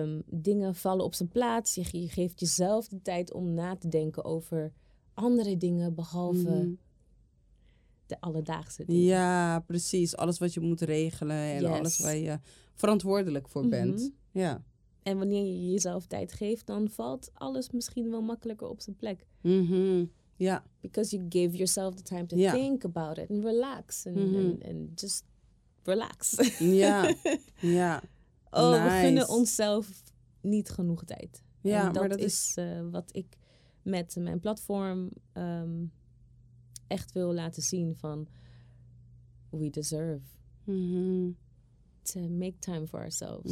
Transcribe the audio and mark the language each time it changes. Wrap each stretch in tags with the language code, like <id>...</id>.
<nl>Dingen vallen op zijn plaats. Je geeft jezelf de tijd om na te denken over andere dingen behalve de alledaagse dingen. Ja, precies. Alles wat je moet regelen en alles waar je verantwoordelijk voor bent. Mm-hmm. Ja. En wanneer je jezelf tijd geeft, dan valt alles misschien wel makkelijker op zijn plek. Mm-hmm. Ja.</nl> <en>Because you give yourself the time to think about it and relax. And just relax.</en> <nl>Ja. Ja.</nl> <en>Oh, nice.</en> <nl>We gunnen onszelf niet genoeg tijd. Ja, en dat is wat ik met mijn platform echt wil laten zien van</nl> <en>we deserve to make time for ourselves.</en>